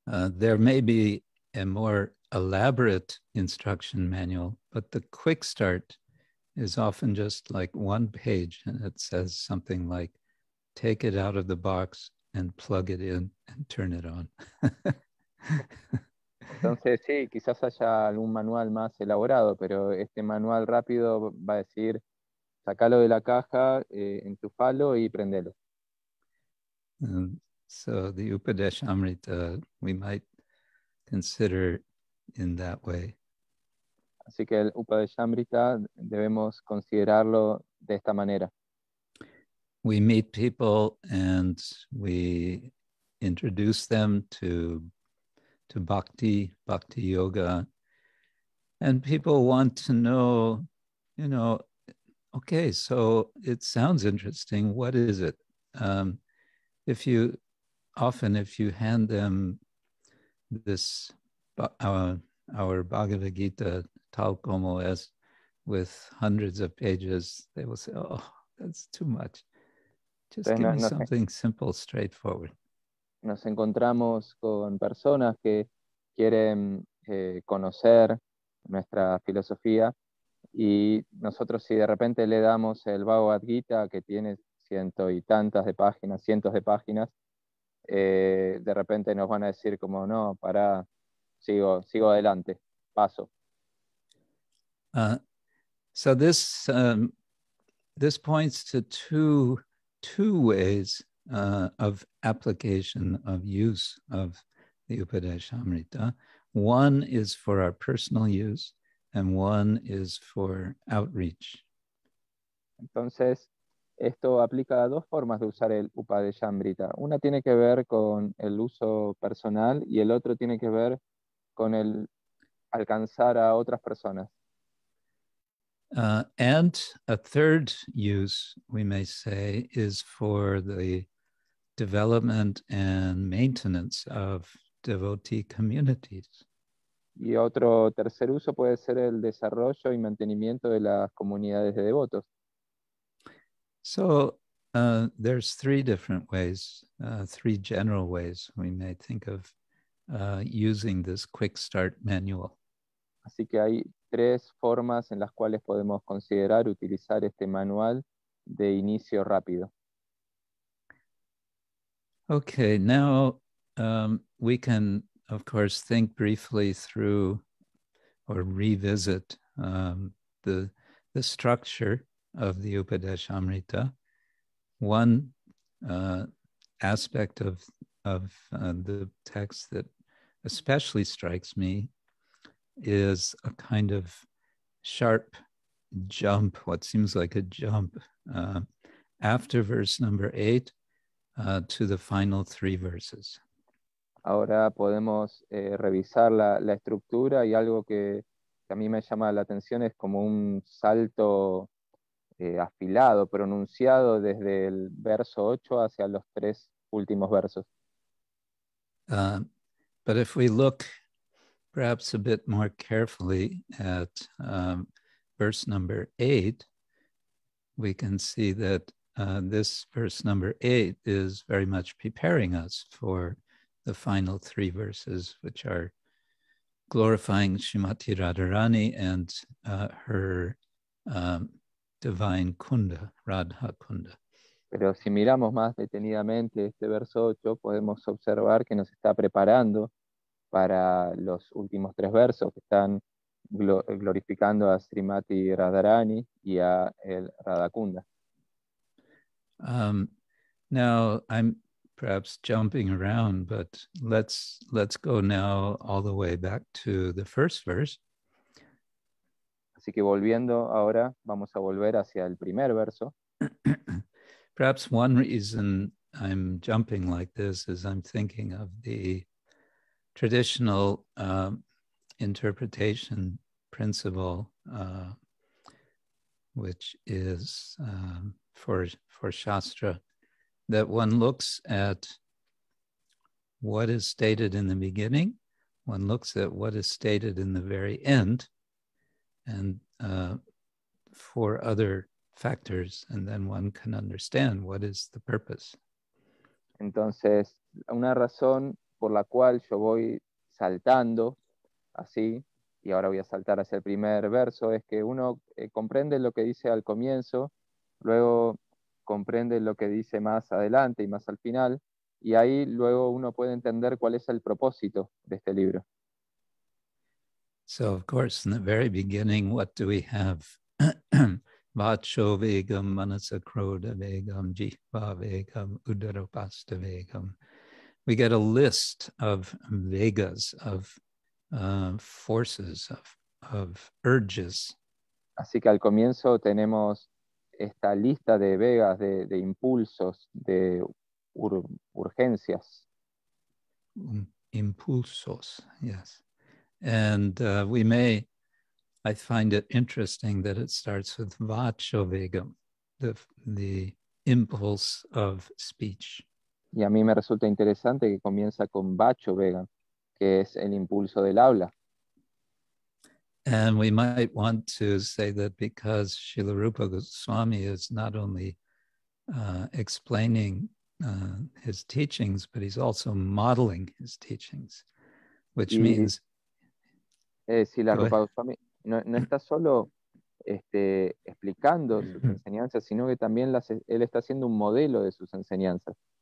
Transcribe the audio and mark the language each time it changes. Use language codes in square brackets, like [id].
[en] There may be a more elaborate instruction manual, but the quick start is often just like one page, and it says something like, take it out of the box and plug it in and turn it on. [es] Entonces, sí, quizás haya algún manual más elaborado, pero este manual rápido va a decir, sacalo de la caja, entufalo y prendelo. [en] So the Upadesamrta, we might consider in that way. [es] Así que el Upadesamrta debemos considerarlo de esta manera. [en] We meet people and we introduce them to bhakti, bhakti yoga, and people want to know, you know, okay, so it sounds interesting, what is it? If you hand them this, our Bhagavad Gita, tal como es, with hundreds of pages, they will say, oh, that's too much. Just give me something simple, straightforward. [es] Nos encontramos con personas que quieren conocer nuestra filosofía y nosotros si de repente le damos el Bhagavad Gita que tiene ciento y tantas de páginas, cientos de páginas, de repente nos van a decir como no, para, sigo adelante, paso. [en] So this points to two ways of application, of use of the Upadesamrta. One is for our personal use and one is for outreach. [es] Entonces, esto aplica a dos formas de usar el Upadesamrta. Una tiene que ver con el uso personal y el otro tiene que ver con el alcanzar a otras personas. [en] And a third use, we may say, is for the development and maintenance of devotee communities. [es] Y otro tercer uso puede ser el desarrollo y mantenimiento de las comunidades de devotos. [en] So there's three different ways, three general ways we may think of using this quick start manual. [es] Así que hay tres formas en las cuales podemos considerar utilizar este manual de inicio rápido. [en] Okay, now we can, of course, think briefly through or revisit the structure of the Upadesamrta. One aspect of the text that especially strikes me is a kind of sharp jump, what seems like a jump, after verse number 8 to the final three verses. [es] Ahora podemos revisar la estructura y algo que a mí me llama la atención es como un salto afilado, pronunciado desde el verso 8 hacia los tres últimos versos. [en] But if we look perhaps a bit more carefully at verse number 8, we can see that this verse number 8 is very much preparing us for the final three verses, which are glorifying Srimati Radharani and her divine kunda, Radha kunda. [es] Pero si miramos más detenidamente este verso 8, podemos observar que nos está preparando para los últimos tres versos que están glorificando a Srimati Radharani y a el Radhakunda. [en] Now, I'm perhaps jumping around, but let's go now all the way back to the first verse. [es] Así que volviendo ahora, vamos a volver hacia el primer verso. [en] Perhaps one reason I'm jumping like this is I'm thinking of the traditional interpretation principle, which is for Shastra, that one looks at what is stated in the beginning, one looks at what is stated in the very end, and for other factors, and then one can understand what is the purpose. [es] Entonces, una razón por la cual yo voy saltando así, y ahora voy a saltar hacia el primer verso, es que uno comprende lo que dice al comienzo, luego comprende lo que dice más adelante y más al final, y ahí luego uno puede entender cuál es el propósito de este libro. [en] So, of course, in the very beginning, what do we have? [sa] Vacho vegam, manasa krodha vegam, jihva vegam, udaropasta vegam. [en] We get a list of vegas, of forces, of urges. [es] Así que al comienzo tenemos esta lista de vegas, de impulsos, de urgencias. [en] Impulsos, yes. And I find it interesting that it starts with vacho vegam, the impulse of speech. [es] Y a mí me resulta interesante que comienza con vacho vegam, que es el impulso del habla. [en] And we might want to say that because Srila Rupa Goswami is not only explaining his teachings, but he's also modeling his teachings, which means... [es] Srila Rupa Goswami no está solo explicando sus enseñanzas, sino que también él está haciendo un modelo de sus enseñanzas.